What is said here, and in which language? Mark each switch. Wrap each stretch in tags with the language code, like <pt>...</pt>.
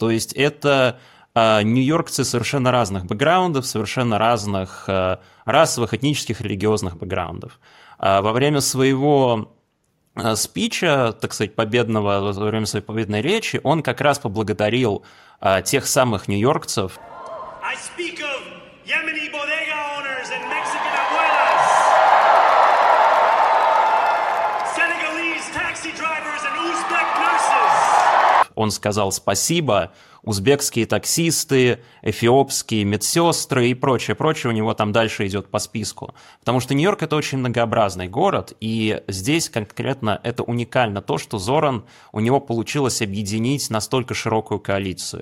<ru>То есть это нью-йоркцы совершенно разных бэкграундов, совершенно разных расовых, этнических, религиозных бэкграундов. Во время своего спича, так сказать, победного, во время своей победной речи, он как раз поблагодарил тех самых нью-йоркцев.</ru> <en>I speak of Yemeni bodega owners and Mexican abuelas, Senegalese taxi drivers and Uzbek nurses.</en> <ru>Он сказал спасибо, узбекские таксисты, эфиопские медсестры и прочее, прочее у него там дальше идет по списку. Потому что Нью-Йорк – это очень многообразный город, и здесь конкретно это уникально то, что Зоран, у него получилось объединить настолько широкую коалицию.</ru>